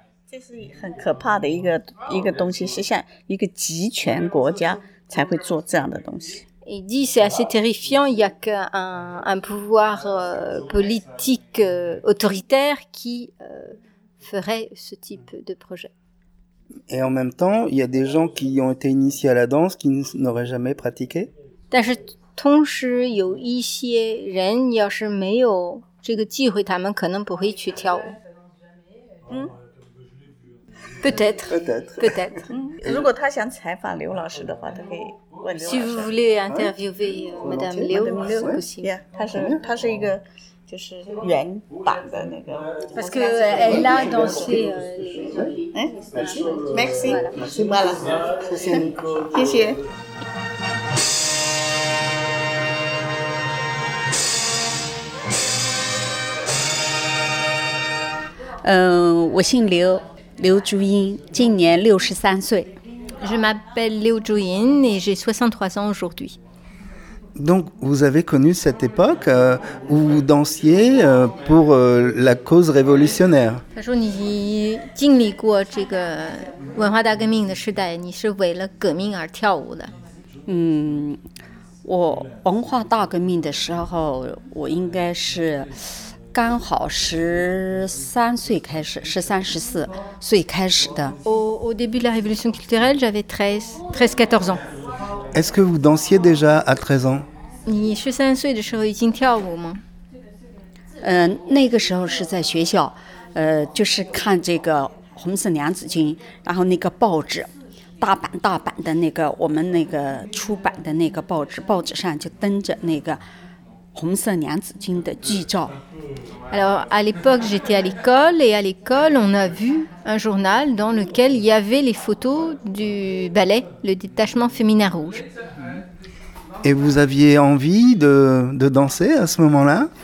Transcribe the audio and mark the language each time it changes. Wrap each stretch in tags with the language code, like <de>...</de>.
<zh>这是很可怕的一个东西，是像一个集权国家才会做这样的东西。</zh> <fr>Il dit c'est assez terrifiant. Il y a qu'un pouvoir politique autoritaire qui ferait ce type de projet. Et en même temps, il y a des gens qui ont été initiés à la danse qui n'auraient jamais pratiqué.</fr> <zh>但是同时有一些人要是没有这个机会，他们可能不会去跳舞。嗯。</zh> <fr>Peut-être.</fr> <zh>如果他想采访刘老师的话，他可以问刘老师。</zh> <fr>Si vous voulez interviewer Madame Liu, vous pouvez.</fr> <zh>Yeah, 他是一个就是原版的那个。</zh> <fr>Parce que elle a dansé. Merci. Merci. Voilà.</fr> <zh>谢谢。我姓刘。 Liu Zhuyin, 今年63岁。</zh> <fr>Je m'appelle Liu Zhuyin et j'ai 63 ans aujourd'hui. Donc, vous avez connu cette époque où vous dansiez pour la cause révolutionnaire.</fr> <zh>他说你经历过这个文化大革命的时代，你是为了革命而跳舞的。我文化大革命的时候，我应该是。刚好13-14岁开始的。</zh> <fr>Au début de la révolution culturelle, j'avais 13-14 ans. Est-ce que vous dansiez déjà à 13 ans?</fr> <zh>你13岁的时候已经跳舞吗？那个时候是在学校，就是看这个红色娘子军，然后那个报纸，大版大版的那个，我们那个出版的那个报纸，报纸上就登着那个红色娘子军的剧照。</zh> <fr>Alors, à l'époque, j'étais à l'école et à l'école, on a vu un journal dans lequel il y avait les photos du ballet, le détachement féminin rouge. Et vous aviez envie de danser à ce moment-là ?</fr>